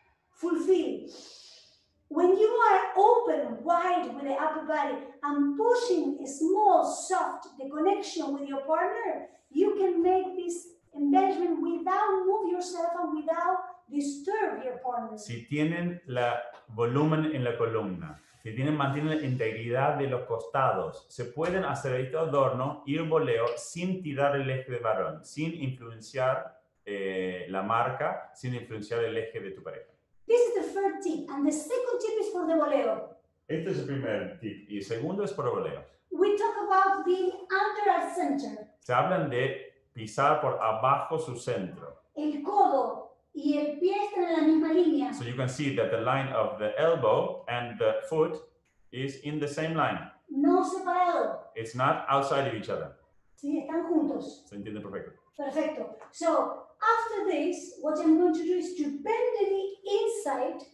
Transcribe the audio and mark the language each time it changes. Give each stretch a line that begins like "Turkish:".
English: Fulfill. When you are open, wide with the upper body and pushing a small, soft, the connection with your partner, you can make this embellishment without move yourself and without disturb your partner.
Spanish: Si tienen la volumen en la columna, si tienen, mantienen la integridad de los costados, se pueden hacer este adorno y el voleo sin tirar el eje de varón, sin influenciar la marca, sin influenciar el eje de tu pareja.
English: This is the first tip, and the second tip is for the voleo.
Spanish: Este es el primer tip, y el segundo es para voleo.
English: We talk about being under our center.
Spanish: Se hablan de pisar por abajo su centro. El codo y el pie están en la misma línea.
English: So you can see that the line of the elbow and the foot is in the same line.
Spanish: No separado.
English: It's not outside of each other.
Spanish: Sí, están juntos. Se entiende perfecto. Perfecto.
English: So, after this, what I'm going to do is to bend the knee inside.